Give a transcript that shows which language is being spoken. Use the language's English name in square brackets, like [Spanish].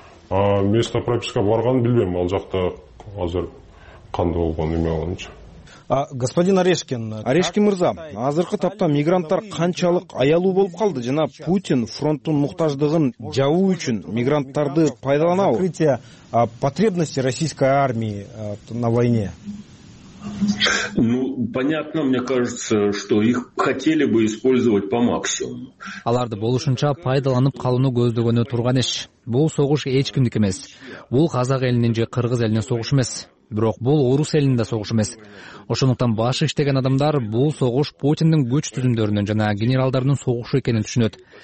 [Russian] А место прописка [Kyrgyz] барганын билбейм, ал жакта азыр кандай болгон эме кылганчы. Господин Орешкин мырза, азыркы тапта мигранттар канчалык аялуу болуп калды жана Путин фронттун муктаждыгын жабуу үчүн мигранттарды пайдаланабы? [Russian] Закрытие потребности российской армии на войне. Ну, понятно, мне кажется, что их хотели бы использовать по максимуму. [Kyrgyz] Аларды болушунча пайдаланып калууну көздөгөнү турган иш. Бул согуш эч кимдик эмес. Бул казак элинин же кыргыз элинин согушу эмес. Бирок бул орус элинин да согушу эмес. Ошондуктан башы иштеген адамдар бул согуш Путиндин күч түзүмдөрүнүн жана генералдарынын согушу экенин түшүнөт.